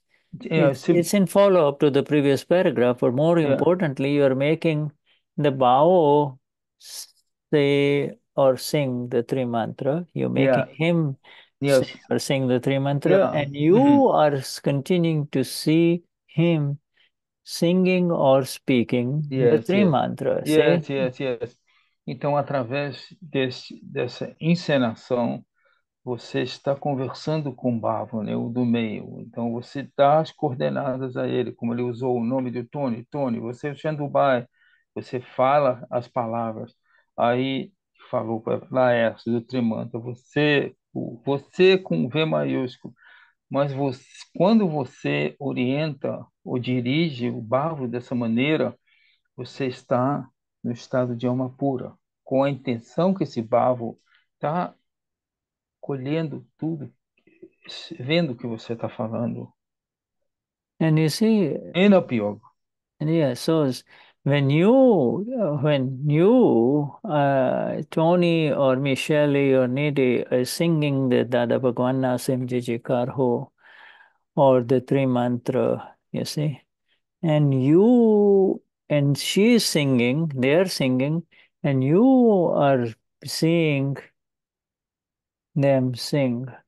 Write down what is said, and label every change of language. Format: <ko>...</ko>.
<en>it's in follow-up to the previous paragraph, but more importantly, you are making the bow say or sing the three mantra. You're making him say or sing the three mantra, and you are continuing to see him singing or speaking the three mantra, see?</en> <pt>Então, através dessa encenação, você está conversando com o Bhavo, né? O do meio. Então, você dá as coordenadas a ele, como ele usou o nome do Tony. Tony, você é o Chandubai, você fala as palavras. Aí, falou para Laércio, do Trimanta, você com V maiúsculo. Mas você, quando você orienta ou dirige o Bhavo dessa maneira, você está no estado de alma pura, com a intenção que esse bavo está colhendo tudo, vendo o que você está falando.</pt> <en>And you see,</en> <pt>Em opiogo.</pt> <en>yeah, so when you, Tony or Michele or Nidhi are singing the Dada Bhagwan Nasim Jijikar Ho or the three mantra, you see, and you and she's singing, they're singing, and you are seeing them sing.</en>